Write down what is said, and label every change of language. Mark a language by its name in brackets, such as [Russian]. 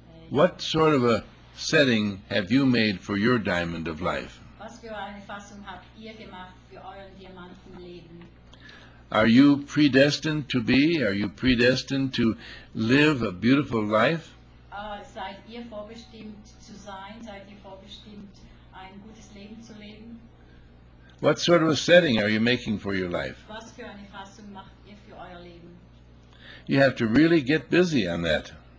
[English] What sort of a setting have you made for your diamond of life? [German] Was für eine Fassung habt ihr gemacht für euren Diamantenleben? [English] Are you predestined to be? Are you predestined to live a beautiful life? [German] Seid ihr vorbestimmt zu sein? Seid ihr vorbestimmt, ein gutes Leben zu leben? [English] What sort of a setting are you making for your life? [German] Was für eine Fassung macht ihr für euer Leben? [English] You have to really get busy on that.